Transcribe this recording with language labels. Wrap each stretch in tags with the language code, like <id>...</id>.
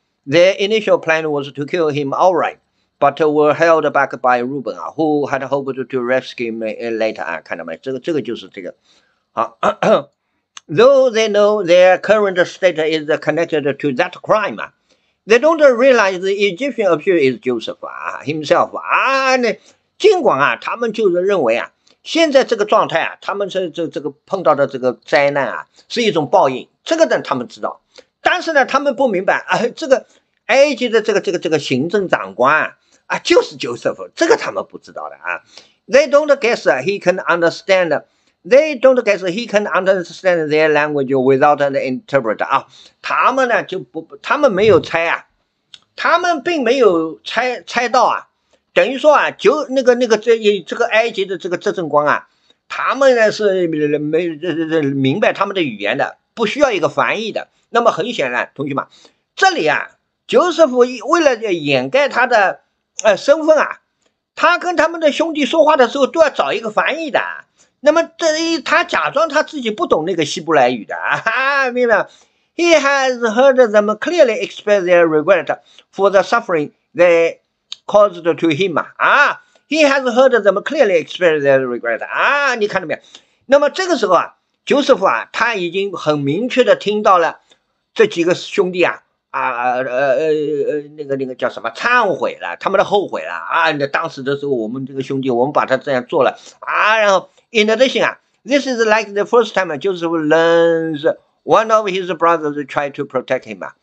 <en>Their initial plan was to kill him outright, but were held back by Reuben, who had hoped to rescue him later,</en> <zh>看到没？这个就是这个。好。</zh> <en>Though they know their current state is connected to that crime, they don't realize the Egyptian official is Joseph himself.</en> <zh>尽管啊，他们就是认为啊，现在这个状态啊，他们这个碰到的这个灾难啊，是一种报应。这个呢，他们知道，但是呢，他们不明白啊，这个埃及的这个行政长官啊，就是 Joseph， 这个他们不知道的啊。</zh> <en>They don't guess he can understand. They don't guess he can understand their language without an interpreter.</en> <zh>啊，他们呢就不，他们没有猜啊，他们并没有猜到啊，等于说啊，就那个这个埃及的这个执政官啊，他们呢是没明白他们的语言的，不需要一个翻译的。那么很显然，同学们，这里啊，Joseph为了掩盖他的身份啊，他跟他们的兄弟说话的时候都要找一个翻译的。那么这他假装他自己不懂那个希伯来语的啊，明白吗</zh> <en>？He has heard them clearly express their regret for the suffering they caused to him 啊 ，He has heard them clearly express their regret 啊，</en> <zh>你看到没有？那么这个时候啊 ，Joseph 啊，他已经很明确的听到了这几个兄弟那个叫什么忏悔了，他们的后悔了啊，那当时的时候我们这个兄弟，我们把他这样做了啊，然后。</zh> <en>In addition, this is like the first time Joseph learns one of his brothers tried to protect him.</en>